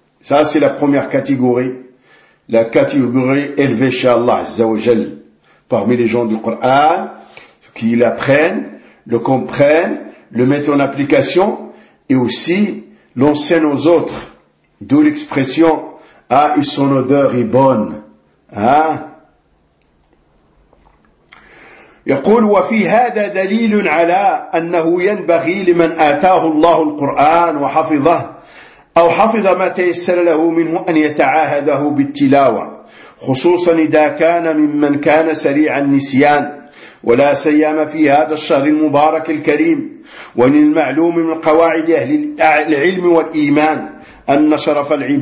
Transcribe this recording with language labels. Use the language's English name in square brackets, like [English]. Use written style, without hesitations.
[French] Ça c'est la première catégorie, la catégorie élevée chez Allah, Azza wa Jalla. Parmi les gens du Coran, qui l'apprennent, le comprennent, le mettent en application, et aussi l'enseignent aux autres. D'où l'expression, ah, et son odeur est bonne. Hein? [Arabic] يقول وفي هذا دليل على أنه ينبغي لمن آتاه الله القرآن وحفظه أو حفظ ما تيسر له منه أن يتعاهده بالتلاوة. خصوصا إذا كان ممن كان سريع النسيان ولا سيما في هذا الشهر المبارك الكريم ومن المعلوم من قواعد أهل العلم والإيمان أن شرف